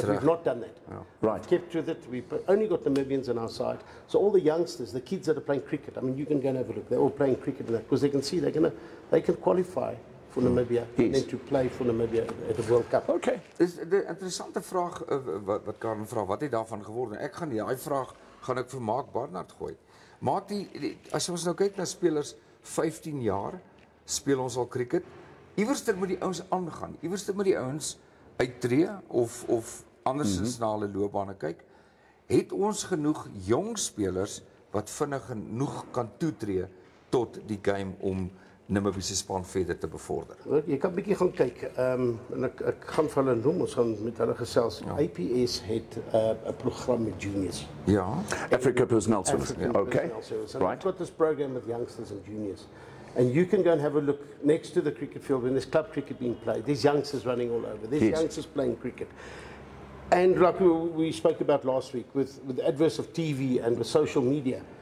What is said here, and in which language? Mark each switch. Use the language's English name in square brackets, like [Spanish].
[English] But we've not done that. Yeah. Right. We've kept with it. We've only got Namibians on our side. So all the youngsters, the kids that are playing cricket, I mean, you can go and have a look. They're all playing cricket in that, because they can see they can qualify for Namibia, and to play for Namibia at the World Cup. Okay. [Afrikaans] Dis die interessante vraag wat Karen vra, wat het daarvan geword? Ek gaan die vraag gaan ek vir Mark Barnard gooi. Maak die as ons nou kyk na spelers 15 jaar speel ons al cricket. Iewerster moet die ouens aangaan. Iewerster moet die ouens uittreë of andersins na hulle loopbane kyk. Het ons genoeg jong spelers wat vinnig genoeg kan toetree tot die game om Namibiese span verder te bevorder. Jy kan bietjie gaan kyk. En ek gaan vir hulle noem, ons gaan met hulle gesels. Ja. IPS het 'n program met juniors. Ja. Africa Personnel Service. Okay. [English] So right. Got this program with youngsters and juniors. And you can go and have a look next to the cricket field when there's club cricket being played. There's youngsters running all over. There's youngsters playing cricket. And like we spoke about last week with the adverse of TV and the social media.